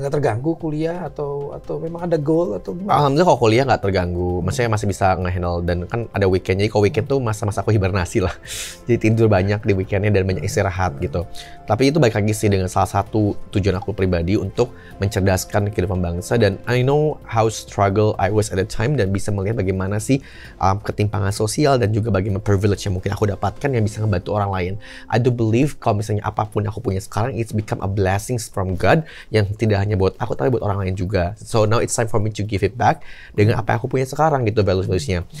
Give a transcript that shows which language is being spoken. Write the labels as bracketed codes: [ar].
[id] Gak terganggu kuliah? Atau memang ada goal? Atau gimana? Alhamdulillah kalau kuliah gak terganggu. Maksudnya masih bisa nge-handle. Dan kan ada weekend. Jadi kalau weekend tuh masa-masa aku hibernasi lah. Jadi tidur banyak di weekendnya dan banyak istirahat gitu. Tapi itu balik lagi sih dengan salah satu tujuan aku pribadi untuk mencerdaskan kehidupan bangsa. Dan [en] I know how struggle I was at the time. [id] Dan bisa melihat bagaimana sih ketimpangan sosial dan juga bagaimana privilege yang mungkin aku dapatkan yang bisa membantu orang lain. [en] I do believe [id] kalau misalnya apapun aku punya sekarang, [en] it's become a blessings from God [id] yang tidak hanya buat aku tapi buat orang lain juga. [en] So now it's time for me to give it back [id] dengan apa yang aku punya sekarang gitu, [en] values-valuesnya.